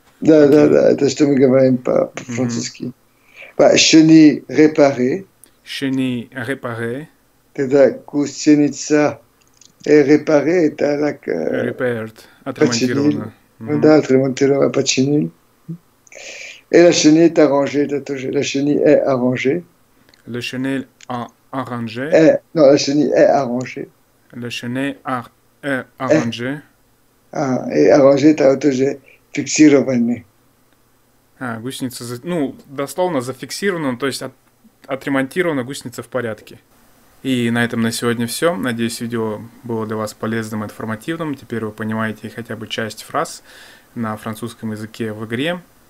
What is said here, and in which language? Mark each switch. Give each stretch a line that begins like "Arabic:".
Russian: Да, так, да, да. Это что мы говорим по-французски.
French: Chenille réparée. Chenille réparée.
Russian: Тогда гусеница
French: est réparée,
Russian: это как...
English: Repaired.
Russian: Отремонтировано. Да, отремонтировано, починили. И
French: la chenille est arrangée.
Russian: Это тоже.
French: La chenille est arrangée. Le chenille arrangé. Et, non, la chenille est arrangée. Le chenille est arrangé. Ah, et arrangé, t'as autogé fixirovanné.
Russian: Ah, гусеница, ну, дословно зафиксировано, то есть отремонтирована гусеница в порядке. И на этом на сегодня все. Надеюсь, видео было для вас полезным и информативным. Теперь вы понимаете хотя бы часть фраз на французском языке в игре.